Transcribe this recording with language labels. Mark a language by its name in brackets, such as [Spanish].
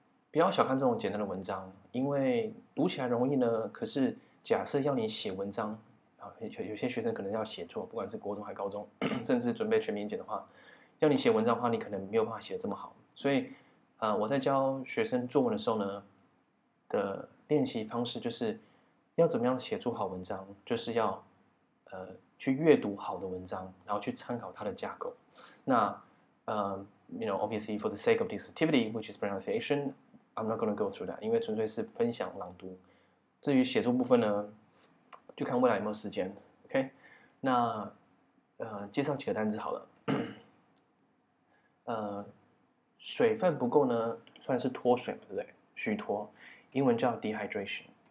[Chinese] 不要小看这种简单的文章，因为读起来容易呢，可是假设要你写文章有些学生可能要写作，不管是国中还高中，甚至准备全民检的话，要你写文章的话，你可能没有办法写得这么好。所以，我在教学生作文的时候呢，的练习方式就是要怎么样写出好文章，就是要去阅读好的文章，然后去参考它的架构。 [English] 那you know, obviously for the sake of this activity, which is pronunciation, I'm not going to go through that, [Chinese] 因为纯粹是分享朗读。至于写作部分呢？就看未来有没有时间 ，OK？那介绍几个单字好了。水分不够呢，算是脱水，对不对？虚脱，英文叫 dehydration。